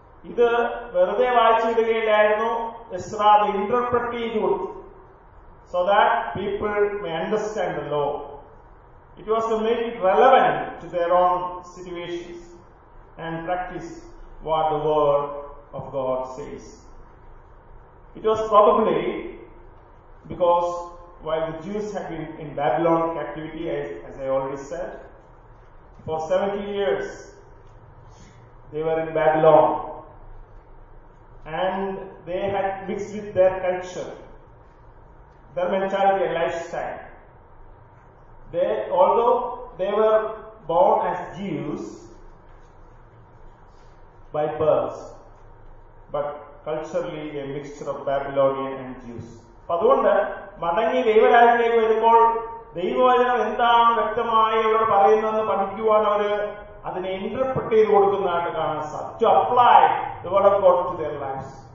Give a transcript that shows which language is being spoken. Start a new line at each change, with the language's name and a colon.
Malayalam: ഇത് വെറുതെ വായിച്ചു വിടുകയില്ലായിരുന്നു, ഇസ്രായേൽ ഇന്റർപ്രറ്റ് ചെയ്ത് കൊടുത്തു.
English: So that people may understand the law. It was make it relevant to their own situations and practice what the word of God says. It was probably because while the Jews had been in Babylon captivity, as I already said, for 70 years they were in Babylon and they had mixed with their culture, their mentality and lifestyle. Although they were born as Jews by birth, but culturally a mixture of Babylonian and Jews.
Malayalam: അതുകൊണ്ട് മടങ്ങി ദൈവരാജ്യത്തിലേക്ക് വരുമ്പോൾ ദൈവവചനം എന്താണ് വ്യക്തമായി അവരോട് പറയുന്നതെന്ന് പഠിക്കുവാൻ അവര് അതിനെ ഇന്റർപ്രറ്റ് ചെയ്ത് കൊടുക്കുന്നതായിട്ട് കാണാൻ സാധിക്കും.
English: To apply the word of God to their lives.